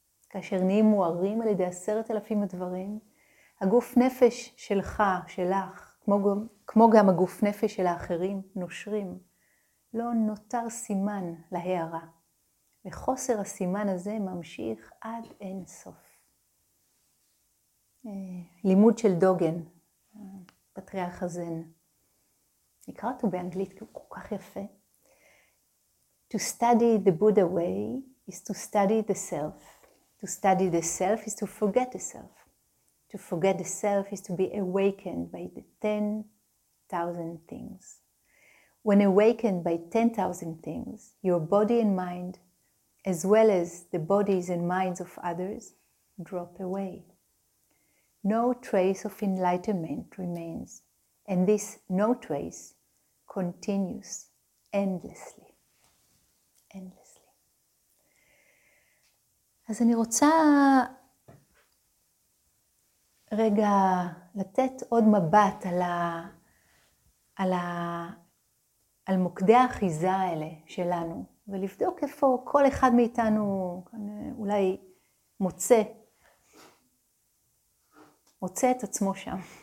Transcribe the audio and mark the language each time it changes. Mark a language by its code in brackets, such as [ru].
[he] כאשר נהיים מוארים על ידי 10,000 הדברים, הגוף נפש שלך, שלך, כמו גם הגוף נפש של האחרים, נושרים, לא נותר סימן להערה. וחוסר הסימן הזה ממשיך עד אין סוף. לימוד של דוגן. פטריארך הזן. נקרא אותו באנגלית, כי הוא כל כך יפה. [en] To study the Buddha way is to study the self. To study the self is to forget the self. To forget the self is to be awakened by the 10,000 things. When awakened by 10,000 things, your body and mind, as well as the bodies and minds of others, drop away. No trace of enlightenment remains, and this no trace continues endlessly. Endlessly. [he] אז אני רוצה רגע לתת עוד מבט על על מוקדי האחיזה האלה שלנו, ולבדוק איפה כל אחד מאיתנו אולי מוצא את עצמו שם.